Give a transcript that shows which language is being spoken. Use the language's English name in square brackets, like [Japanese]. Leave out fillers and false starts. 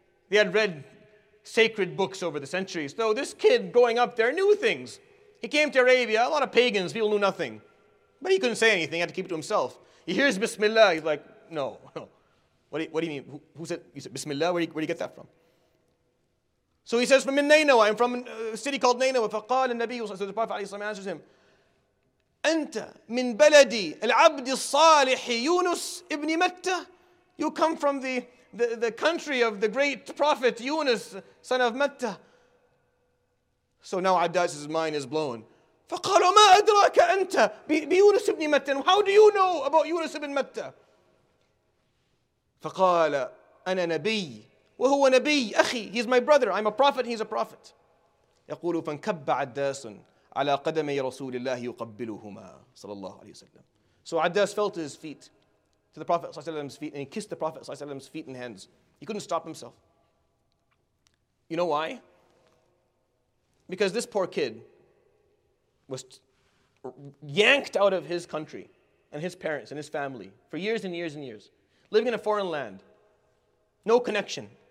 [English] They had read sacred books over the centuries. So this kid growing up there knew things. He came to Arabia. A lot of pagans, people knew nothing. But he couldn't say anything. He had to keep it to himself. He hears Bismillah. He's like, no. What do you mean? Who said? You said Bismillah? Where do you get that from? So he says, from Nainawa, I'm from a city called Nainawa. [Arabic] فقال النبي صلى الله عليه وسلم, [English] so the Prophet ﷺ answers him, [Arabic] أنت من بلدي العبد الصالح يونس ابن متى. [English] You come from the country of the great prophet Yunus, son of متى. So now Adas's mind is blown. [Arabic] فقال ما أدراك أنت بيونس ابن متى. [English] How do you know about Yunus ibn متى? [Arabic] فقال أنا نبي. وهو نبي أخي. [English] He's my brother. I'm a prophet. He's a prophet. [Arabic] يقول فانكب عداس على قدمي رسول الله يقبلهما صلى الله عليه وسلم. [English] So عداس fell to his feet, to the Prophet صلى الله عليه وسلم's feet, and he kissed the Prophet صلى الله عليه وسلم's feet and hands. He couldn't stop himself. You know why? Because this poor kid was yanked out of his country and his parents and his family for years and years and years, living in a foreign land, no connection.